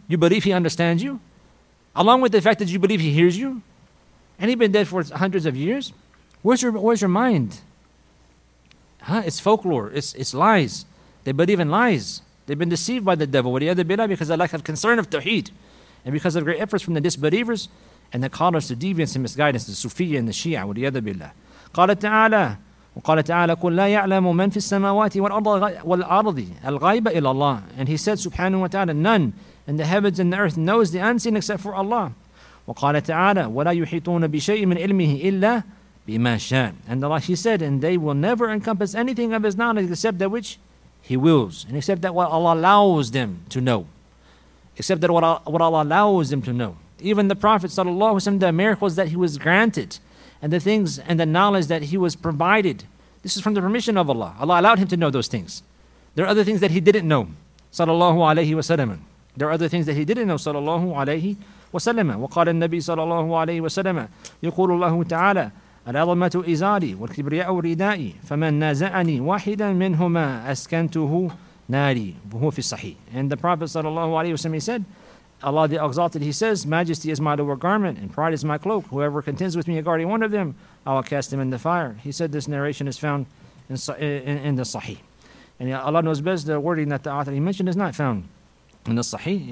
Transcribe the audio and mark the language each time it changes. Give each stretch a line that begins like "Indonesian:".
English: You believe He understands you? Along with the fact that you believe He hears you, and He's been dead for hundreds of years, where's your mind? Huh? It's folklore. It's lies. They believe in lies. They've been deceived by the devil. What the other because of lack of concern of tawheed, and because of great efforts from the disbelievers, and the callers to deviance and misguidance, the Sufiyyah and the Shia. What the other billah?
Arabic: قال تعالى وقال تعالى كل لا يعلم من في السماوات والأرض الغيب إلى الله.
English: And He said, Subhanahu wa Taala, none. And the heavens and the earth knows the unseen except for Allah.
Arabic: وقال تعالى ولا يحيطون بشيء من علمه إلا بما شاء.
English: And Allah, He said, and they will never encompass anything of His knowledge except that which He wills, and except that what Allah allows them to know. Except that what Allah allows them to know. Even the Prophet sallallahu alaihi wasallam, the miracles that he was granted, and the things and the knowledge that he was provided, this is from the permission of Allah. Allah allowed him to know those things. There are other things that he didn't know, sallallahu alaihi wasallam. There are other things that he didn't know, sallallahu alayhi wa sallam.
Arabic: وقال النبي صلى الله عليه وسلم يقول الله تعالى العظمة إزاري والكبرياء ردائي فمن نازعني واحدا منهما أسكنته ناري وهو في الصحيح.
English: And the Prophet صلى الله عليه وسلم, he said, Allah the Exalted, he says, majesty is my lower garment and pride is my cloak. Whoever contends with me regarding one of them, I will cast him in the fire. He said this narration is found in the Sahih. And Allah knows best the wording that the author he mentioned is not found in the Sahih.